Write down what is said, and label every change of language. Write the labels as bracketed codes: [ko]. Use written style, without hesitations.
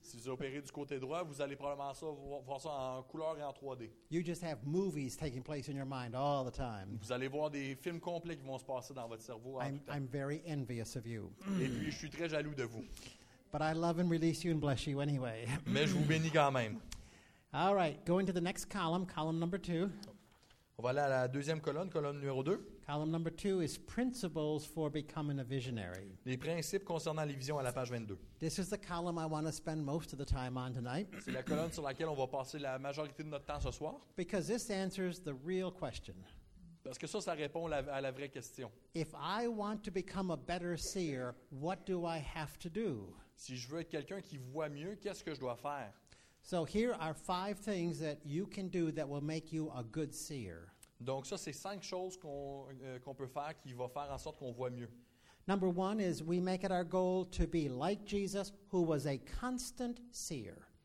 [fr] Si vous opérez du côté droit, vous allez probablement voir ça en couleur et en 3D. [en] You just have movies taking place in your mind all the time. [fr] Vous allez voir des films complets qui vont se passer dans votre cerveau. [en] I'm very envious of you. [fr] Et puis, je suis très jaloux de vous. [en] But I love and release you and bless you anyway. [fr] Mais je vous bénis quand même. [en] All right, going to the next column, column number 2. [fr] On va aller à la deuxième colonne, colonne numéro 2. [en] Column number 2 is principles for becoming a visionary. [fr] Les principes concernant les visions à la page 22. [en] This is the column I want to spend most of the time on tonight. [fr] C'est la colonne sur laquelle on va passer la majorité de notre temps ce soir. [en] Because this answers the real question. [fr] Parce que ça répond à la vraie question. [en] If I want to become a better seer, what do I have to do? [fr] Si je veux être quelqu'un qui voit mieux, qu'est-ce que je dois faire? [en] So here are 5 things that you can do that will make you a good seer. [fr] Donc ça, c'est 5 choses qu'on peut faire qui va faire en sorte qu'on voit mieux. [en] Number 1 is we make it our goal to be like Jesus, who was a constant seer.